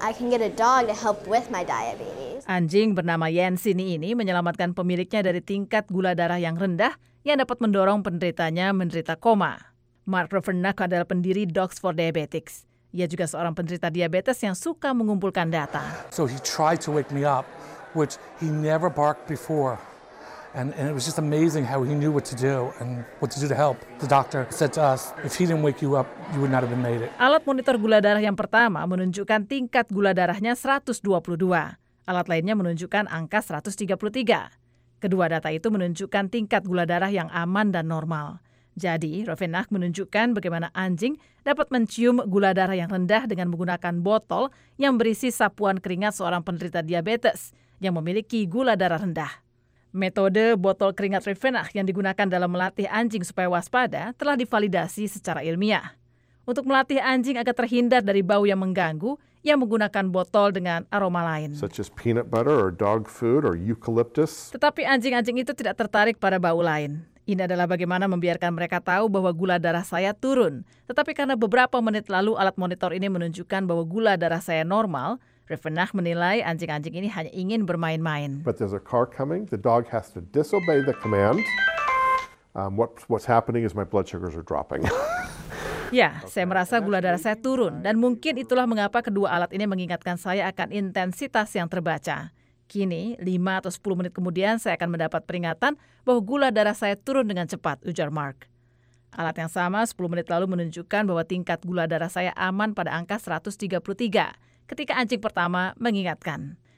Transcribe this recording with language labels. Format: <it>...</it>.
<en>I can get a dog to help with my diabetes.</en> <id>Anjing bernama Yancy ini menyelamatkan pemiliknya dari tingkat gula darah yang rendah yang dapat mendorong penderitanya menderita koma. Mark Ravernack adalah pendiri Dogs for Diabetics. Ia juga seorang penderita diabetes yang suka mengumpulkan data.</id> <en>So he tried to wake me up, which he never barked before. And it was just amazing how he knew what to do and what to do to help. The doctor said to us, if he didn't wake you up, you would not have been made it.</en> <id>Alat monitor gula darah yang pertama menunjukkan tingkat gula darahnya 122. Alat lainnya menunjukkan angka 133. Kedua data itu menunjukkan tingkat gula darah yang aman dan normal. Jadi, Ravenak menunjukkan bagaimana anjing dapat mencium gula darah yang rendah dengan menggunakan botol yang berisi sapuan keringat seorang penderita diabetes yang memiliki gula darah rendah. Metode botol keringat Ravenak yang digunakan dalam melatih anjing supaya waspada telah divalidasi secara ilmiah. Untuk melatih anjing agar terhindar dari bau yang mengganggu, yang menggunakan botol dengan aroma lain.</id> <en>Such as peanut butter or dog food or eucalyptus.</en> <id>Tetapi anjing-anjing itu tidak tertarik pada bau lain. Ini adalah bagaimana membiarkan mereka tahu bahwa gula darah saya turun. Tetapi karena beberapa menit lalu alat monitor ini menunjukkan bahwa gula darah saya normal, Rivenach menilai anjing-anjing ini hanya ingin bermain-main.</id> <en>But there's a car coming. The dog has to disobey the command. What's happening is my blood sugars are dropping.</en> <id>Ya, saya merasa gula darah saya turun, dan mungkin itulah mengapa kedua alat ini mengingatkan saya akan intensitas yang terbaca. Kini, 5 atau 10 menit kemudian, saya akan mendapat peringatan bahwa gula darah saya turun dengan cepat, ujar Mark. Alat yang sama 10 menit lalu menunjukkan bahwa tingkat gula darah saya aman pada angka 133, ketika anjing pertama mengingatkan.</id>